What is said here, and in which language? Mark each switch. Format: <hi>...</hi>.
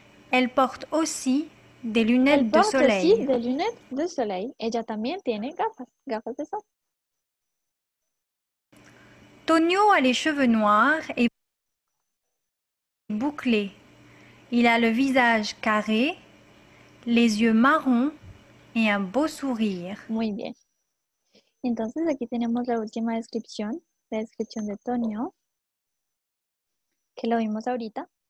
<fr>Elle porte aussi des lunettes Elle porte de soleil. Aussi des lunettes de soleil.</fr> <es>Ella también tiene gafas de sol.</es> <fr>Tonio a les cheveux noirs et bouclés. Il a le visage carré, les yeux marrons et un beau sourire.</fr> <es>Muy bien. Entonces aquí tenemos la última descripción, la descripción de Tonio, que lo vimos ahorita.</es>